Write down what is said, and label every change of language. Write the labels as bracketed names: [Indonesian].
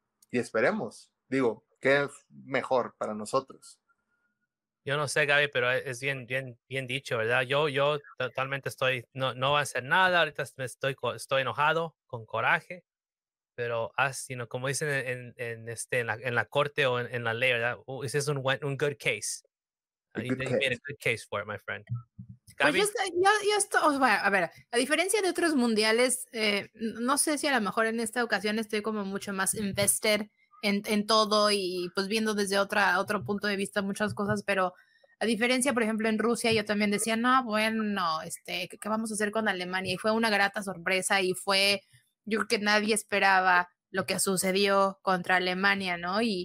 [Spanish] Y esperemos. Digo, ¿qué es mejor para nosotros? Yo no sé, Gaby, pero es bien, bien, bien dicho, ¿verdad? Yo totalmente estoy, no va a hacer nada, ahorita estoy enojado, con coraje, pero como dicen en la corte o en la ley, ¿verdad? [English] This is un good case. You made a good case for it, my friend. [Spanish] Gaby. Pues yo estoy, a diferencia de otros mundiales, no sé si a lo mejor en esta ocasión estoy como mucho más invested en todo y pues viendo desde otro punto de vista muchas cosas, pero a diferencia, por ejemplo, en Rusia yo también decía, no, bueno, ¿qué vamos a hacer con Alemania? Y fue una grata sorpresa y fue, yo creo que nadie esperaba lo que sucedió contra Alemania, ¿no?